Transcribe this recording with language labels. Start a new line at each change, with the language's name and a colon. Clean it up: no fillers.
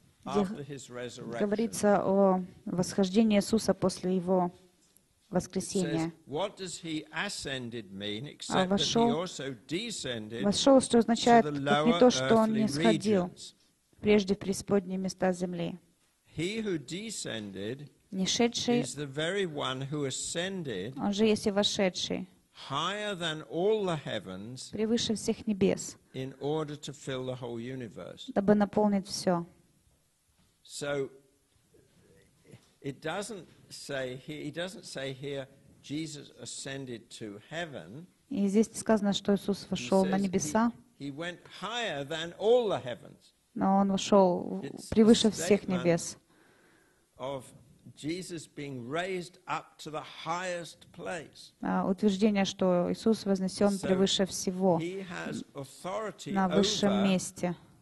Russian: Говорится о восхождении Иисуса после его воскресения.
English: What does he ascended mean, except that he also descended to the lower earthly regions?
Russian: Не то, что он не сходил прежде в преисподние места земли.
English: He who descended is the very one who ascended.
Russian: Он же есть и вошедший.
English: Higher than all the heavens.
Russian: Превыше всех небес.
English: in order to fill the whole universe.
Russian: Дабы наполнить все.
English: So it doesn't say here, he doesn't say here Jesus ascended to heaven.
Russian: И здесь сказано, что Иисус вошел на небеса.
English: He went higher than all the heavens.
Russian: Но он вошел превыше всех небес.
English: Of Jesus being raised up to the highest place.
Russian: Утверждение, что Иисус вознесен превыше всего, на высшем месте.